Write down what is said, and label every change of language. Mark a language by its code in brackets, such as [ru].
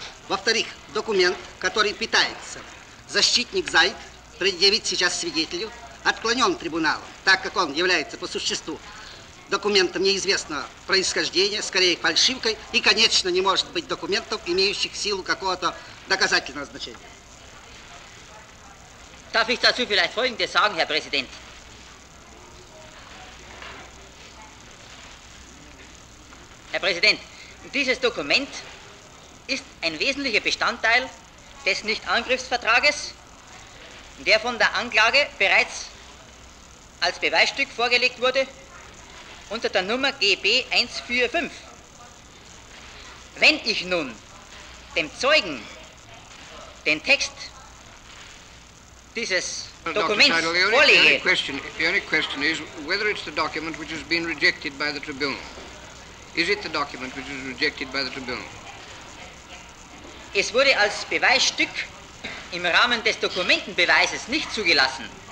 [ru] Во-вторых, документ, который пытается защитник Зайд предъявить сейчас свидетелю, отклонен трибуналом, так как он является по существу документом неизвестного происхождения, скорее фальшивкой, и, конечно, не может быть документов, имеющих силу какого-то доказательного значения. [de] Darf ich dazu vielleicht Folgendes sagen, Herr Präsident? Herr Präsident, dieses Dokument ist ein wesentlicher Bestandteil des Nichtangriffsvertrages, der von der Anklage bereits als Beweisstück vorgelegt wurde, unter der Nummer GB145. Wenn ich nun dem Zeugen den Text dieses Dokuments vorlege... [en] The only question is whether it's the document which has been rejected by the tribunal. Is it the document which is rejected by the tribunal? [de] Es wurde als Beweisstück im Rahmen des Dokumentenbeweises nicht zugelassen.